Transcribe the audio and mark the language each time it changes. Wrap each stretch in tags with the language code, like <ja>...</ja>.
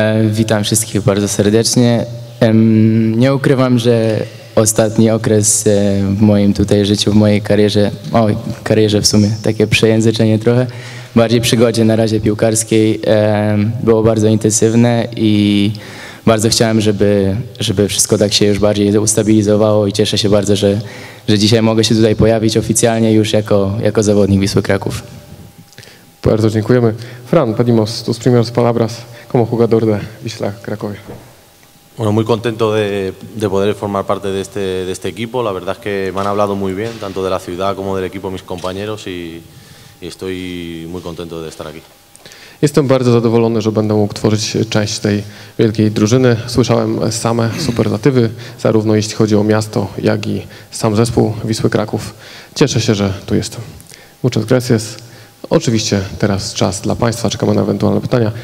<pl>Witam wszystkich bardzo serdecznie. Nie ukrywam, że ostatni okres w moim tutaj życiu, w mojej karierze, karierze w sumie, takie przejęzyczenie trochę, bardziej przygodzie na razie piłkarskiej, było bardzo intensywne i bardzo chciałem, żeby wszystko tak się już bardziej ustabilizowało i cieszę się bardzo, że dzisiaj mogę się tutaj pojawić oficjalnie już jako zawodnik Wisły Kraków. Bardzo dziękujemy.</pl> <es>Fran, pedimos tus primeros palabras como jugador de Wisła Cracovia. Bueno, muy contento de poder formar parte de este equipo. La verdad es que me han hablado muy bien, tanto de la ciudad como del equipo mis compañeros y estoy muy contento de estar aquí.</es> <pl>Jestem bardzo zadowolony, że będę mógł tworzyć część tej wielkiej drużyny. Słyszałem same superlatywy, zarówno jeśli chodzi o miasto, jak i sam zespół Wisły Kraków. Cieszę się, że tu jestem.</pl> <es>Muchas gracias.</es> <pl>Oczywiście teraz czas dla Państwa, czekamy na ewentualne pytania.</pl>